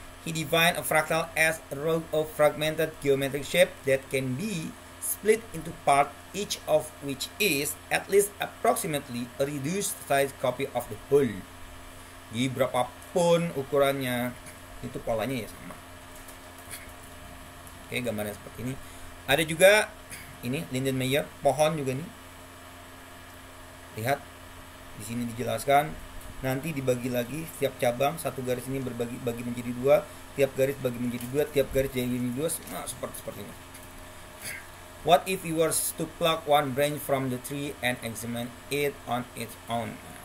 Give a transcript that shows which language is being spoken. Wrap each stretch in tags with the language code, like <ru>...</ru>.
<en>He defined a fractal as a row of fragmented geometric shape that can be split into parts, each of which is at least approximately a reduced size copy of the whole.</en> <id>Jadi berapapun ukurannya itu polanya ya sama. Oke, gambarnya seperti ini. Ada juga ini Lindenmayer, pohon juga nih. Lihat di sini dijelaskan, nanti dibagi lagi setiap cabang, satu garis ini berbagi bagi menjadi dua, tiap garis bagi menjadi dua, tiap garis jadi menjadi dua, nah, seperti ini.</id> <en>What if you were to pluck one branch from the tree and examine it on its own?</en>